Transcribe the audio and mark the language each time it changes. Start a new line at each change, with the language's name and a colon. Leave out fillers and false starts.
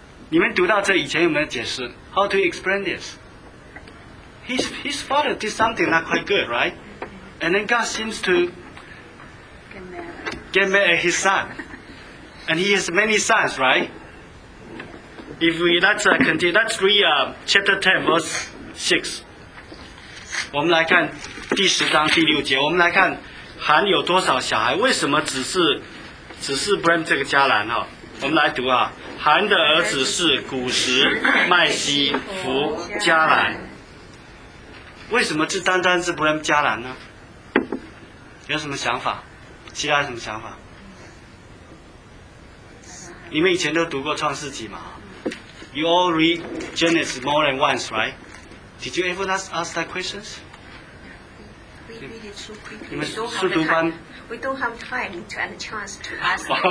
Chinese: 你们读到这以前有没有解释?
English: How do you explain this? His father did something not quite good, right? And then God seems to get mad at his son. And he has many sons, right? If we, let's continue, let's read chapter 10, verse 6.
Chinese: 我们来看第十章第六节。我们来看韩有多少小孩，为什么只是 blame 这个迦南、哦、我们来读啊。韩的儿子是古实、麦西、弗、迦南。为什么只单单是 blame 迦南呢？有什么想法？其他什么想法？你们以前都读过创世纪吗？
English: You all read Genesis more than once, right? Did you ever ask that questions? We read it so quickly. We don't have time to have a chance to ask.